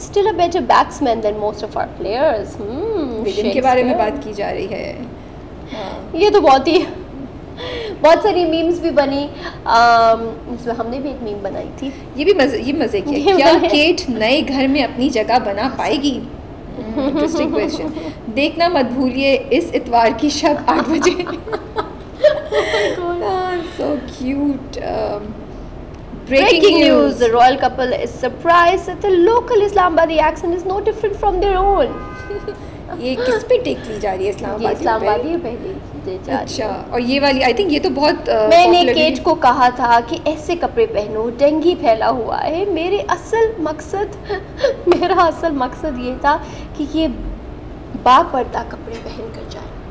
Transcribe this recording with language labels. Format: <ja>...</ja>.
<en>Still a better batsman than most of our players.</en> <ur>ان کے بارے میں بات کی جا رہی ہے, یہ تو بہت ہی بہت ساری میمز بھی بنی, اس میں ہم نے بھی ایک میم بنائی تھی. یہ بھی مزے, یہ مزے کی, کیا کیٹ نئے گھر میں اپنی جگہ بنا پائے گی؟ انٹرسٹنگ کوسچن, دیکھنا مت بھولیے اس اتوار کی شب 8 بجے.</ur> <en>So cute. Breaking news, the royal couple is surprised that the local Islamabadi accent is no different from their own.</en> <ur>یہ کس پہ ٹیک لی جا رہی ہے؟ اسلام آبادی, اسلام آبادی اچھا. اور یہ والی,</ur> <en>I think</en> <ur>یہ تو بہت, میں نے کیٹ کو کہا تھا کہ ایسے کپڑے پہنو, ڈینگی پھیلا ہوا ہے. میرے اصل مقصد, میرا اصل مقصد یہ تھا کہ یہ با پردہ کپڑے پہن کر جائے.</ur>